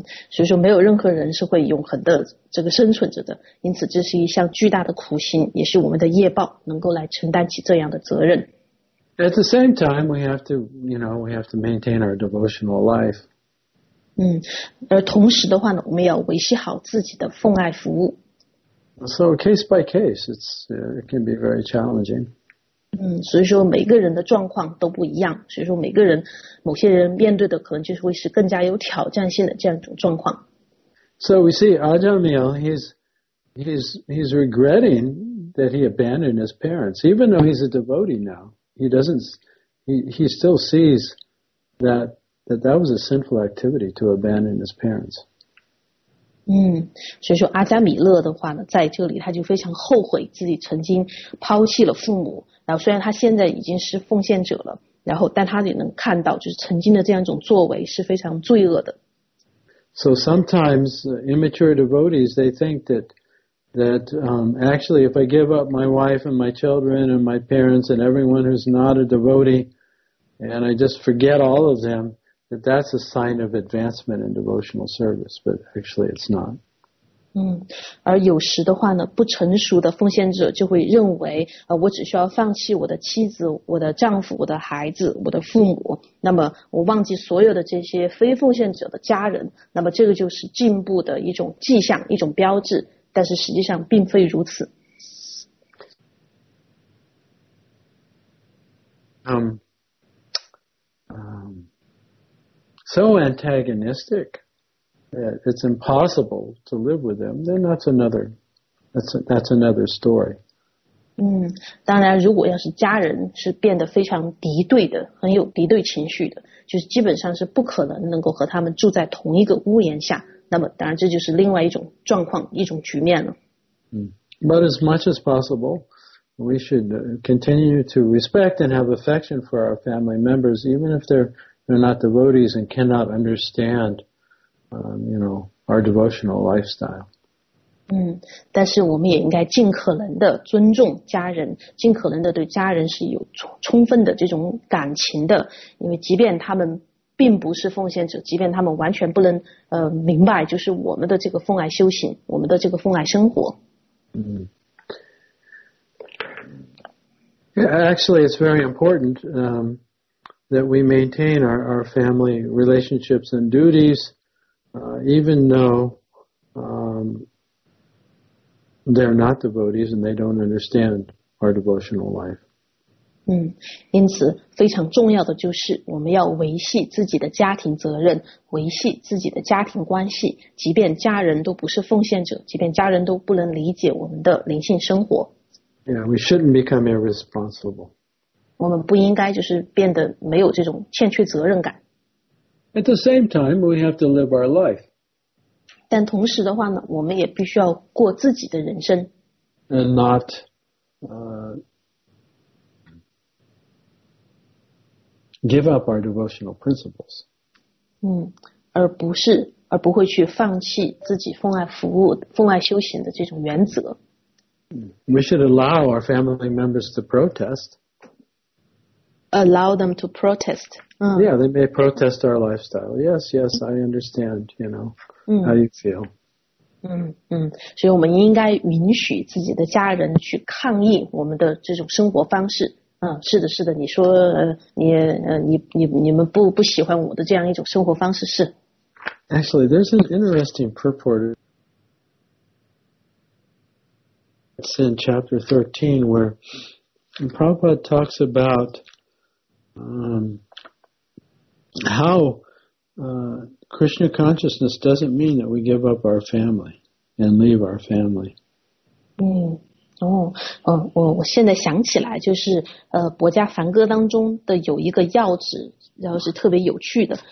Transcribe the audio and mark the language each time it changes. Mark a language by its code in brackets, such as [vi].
[zh] 所以说没有任何人是会永恒的这个生存着的，因此这是一项巨大的苦行，也是我们的业报，能够来承担起这样的责任。 [en] At the same time, we have to, you know, we have to maintain our devotional life. [zh] 而同时的话呢，我们要维系好自己的奉爱服务。 [en] So case by case, it can be very challenging. [zh] 所以说每个人的状况都不一样，所以说每个人某些人面对的可能就是会是更加有挑战性的这样一种状况。 [en] So we see Ajamil, he's regretting that he abandoned his parents. Even though he's a devotee now, he still sees that was a sinful activity to abandon his parents. [zh] 所以说阿加米勒的话呢，在这里他就非常后悔自己曾经抛弃了父母，然后虽然他现在已经是奉献者了，然后但他也能看到就是曾经的这样一种作为是非常罪恶的。 [en] So sometimes immature devotees, they think that actually if I give up my wife and my children and my parents and everyone who's not a devotee and I just forget all of themthat's a sign of advancement in devotional service, but actually it's not. [zh] 而有时的话呢，不成熟的奉献者就会认为，我只需要放弃我的妻子、我的丈夫、我的孩子、我的父母，那么我忘记所有的这些非奉献者的家人，那么这个就是进步的一种迹象、一种标志，但是实际上并非如此。 [en] So antagonistic that it's impossible to live with them. Then that's another That's another story. [zh] 当然如果要是家人是变得非常敌对的，很有敌对情绪的，就是基本上是不可能能够和他们住在同一个屋檐下，那么当然这就是另外一种状况，一种局面了。 [en] But as much as possible, we should continue to respect and have affection for our family members, even if they're not devotees and cannot understand, our devotional lifestyle. [zh] 但是我们也应该尽可能的尊重家人，尽可能的对家人是有充分的这种感情的，因为即便他们并不是奉献者，即便他们完全不能明白就是我们的这个奉爱修行，我们的这个奉爱生活。 [en] Actually, it's very important that we maintain our family relationships and duties, even though they're not devotees and they don't understand our devotional life. [zh] 因此非常重要的就是我们要维系自己的家庭责任，维系自己的家庭关系，即便家人都不是奉献者，即便家人都不能理解我们的灵性生活。 [en] Yeah, we shouldn't become irresponsible. [zh] 我们不应该就是变得没有这种欠缺责任感。 [en] At the same time, we have to live our life. [zh] 但同时的话呢，我们也必须要过自己的人生。 [en] And not, give up our devotional principles. [zh] 而不会去放弃自己奉爱服务、奉爱修行的这种原则。 [en] We should allow our family members to protest. Allow them to protest. Yeah, they may protest our lifestyle. Yes, yes, I understand, how you feel. [zh] 所以我们应该允许自己的家人去抗议我们的这种生活方式。是的，是的，你说你们不喜欢我的这样一种生活方式是。 [en] Actually, there's an interesting purport. It's in chapter 13 where Prabhupada talks about how Krishna consciousness doesn't mean that we give up our family and leave our family. [zh] 我现在想起来，就是《薄伽梵歌》当中的有一个要旨，然后是特别有趣的。